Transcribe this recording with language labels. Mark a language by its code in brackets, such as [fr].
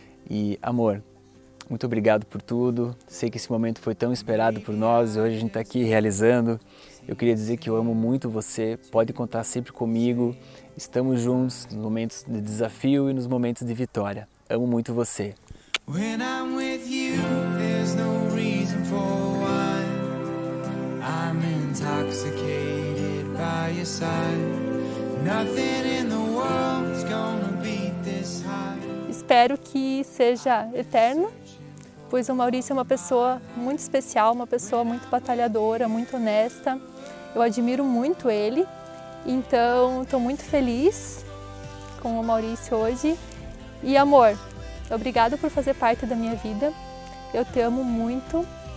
[pt] E amor, muito obrigado por tudo, sei que esse momento foi tão esperado por nós e hoje a gente está aqui realizando. Eu queria dizer que eu amo muito você, pode contar sempre comigo, estamos juntos nos momentos de desafio e nos momentos de vitória. Amo muito você. [en] When I'm with you, there's no reason for why. I'm intoxicated by your side. Nothing in the world's gonna beat this high. [pt] Espero que seja eterno, pois o Maurício é uma pessoa muito especial, uma pessoa muito batalhadora, muito honesta. Eu admiro muito ele, então estou muito feliz com o Maurício hoje. E amor, obrigada por fazer parte da minha vida. Eu te amo muito.